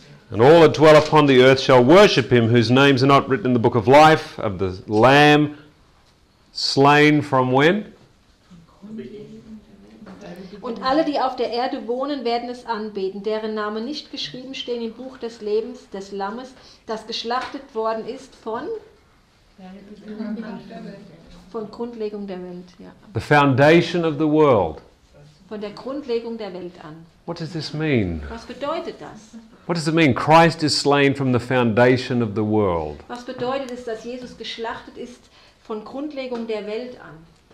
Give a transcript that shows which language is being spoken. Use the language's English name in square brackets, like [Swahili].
[English] And all that dwell upon the earth shall worship him whose names are not written in the book of life of the Lamb slain from when? [German] Und alle, die auf der Erde wohnen, werden es anbeten, deren Namen nicht geschrieben stehen im Buch des Lebens des Lammes, das geschlachtet worden ist von? Von Grundlegung der Welt, ja. [English] The foundation of the world. [German] Von der Grundlegung der Welt an. [English] What does this mean? [German] Was bedeutet das? [English] What does it mean? Christ is slain from the foundation of the world. [German] Was bedeutet es, dass Jesus geschlachtet ist von Grundlegung der Welt an?